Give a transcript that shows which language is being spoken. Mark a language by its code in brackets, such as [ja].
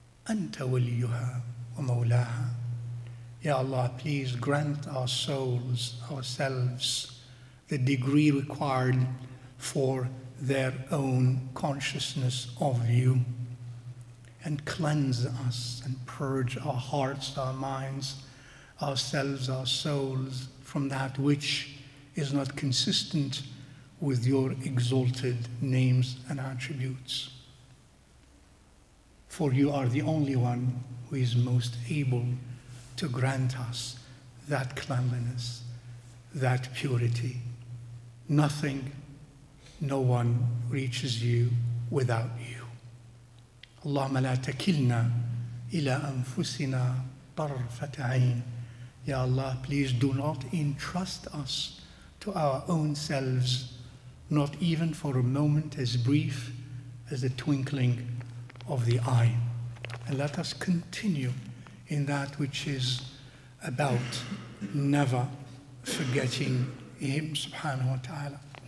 [ar] أنت وليها ومولاها يا الله [en] please grant our souls ourselves the degree required for their own consciousness of you and cleanse us and purge our hearts our minds ourselves our souls from that which is not consistent with your exalted names and attributes. For you are the only one who is most able to grant us that cleanliness, that purity. Nothing, no one reaches you without you. [ar] اللهم لا تكلنا إلى أنفسنا طرفة عين. [en] Ya Allah, please do not entrust us to our own selves not even for a moment as brief as the twinkling of the eye. And let us continue in that which is about never forgetting Him subhanahu wa ta'ala.